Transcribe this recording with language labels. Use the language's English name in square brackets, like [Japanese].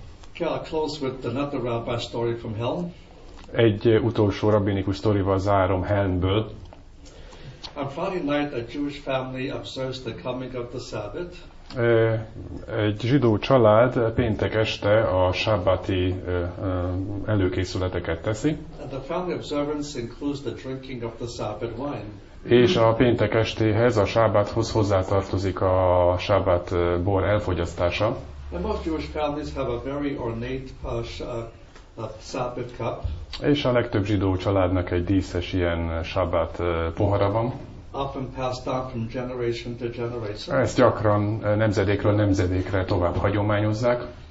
[English] Okay, I'll close with another rabbi story from Helm. [Hungarian] Egy utolsó rabbinikus sztorival zárom Helmből. [English] On Friday night, a Jewish family observes the coming of the Sabbath. [Hungarian] Egy zsidó család péntek este a sábbati előkészületeket teszi. [English] And the family observance includes the drinking of the Sabbath wine. [Hungarian] És a péntek estéhez, a sábbathoz hozzátartozik a sábbat bor elfogyasztása. [English] And most Jewish families have a very ornate Sabbath cup. [Hungarian] És a legtöbb zsidó családnak egy díszes ilyen sábbat pohara van. [English] Often passed down from generation to generation. [Hungarian] Ezt gyakran nemzedékről nemzedékre tovább hagyományozzák.